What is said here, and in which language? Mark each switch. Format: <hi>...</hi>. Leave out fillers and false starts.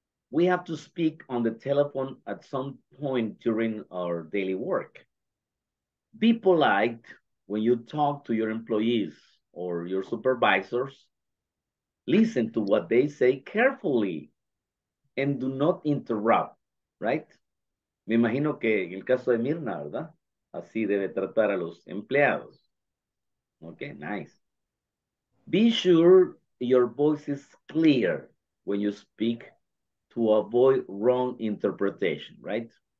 <en>We have to speak on the telephone at some point during our daily work. Be polite when you talk to your employees or your supervisors. Listen to what they say carefully and do not interrupt, right?</en> <es>Me imagino que en el caso de Mirna, ¿verdad? Así debe tratar a los empleados.</es> <en>Okay, nice. Be sure your voice is clear when you speak to avoid wrong interpretation, right?</en>